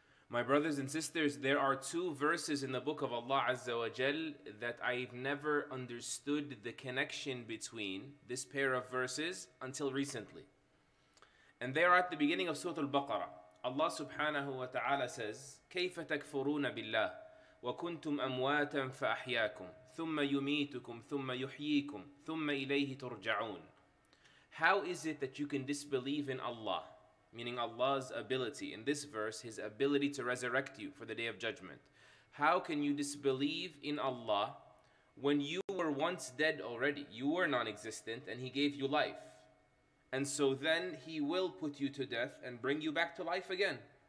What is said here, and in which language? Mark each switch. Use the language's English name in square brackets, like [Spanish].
[English] My brothers and sisters, there are two verses in the book of Allah Azza wa Jal that I've never understood the connection between this pair of verses until recently. And they are at the beginning of Surah Al-Baqarah. Allah subhanahu wa ta'ala says, [Arabic] كَيْفَ تَكْفُرُونَ بِاللَّهِ وَكُنْتُمْ أَمْوَاتًا فَأَحْيَاكُمْ ثُمَّ يُمِيتُكُمْ ثُمَّ يُحْيِيكُمْ ثُمَّ إِلَيْهِ تُرْجَعُونَ. [English] How is it that you can disbelieve in Allah? Meaning Allah's ability, in this verse, His ability to resurrect you for the Day of Judgment. How can you disbelieve in Allah when you were once dead already? You were non-existent and He gave you life. And so then He will put you to death and bring you back to life again.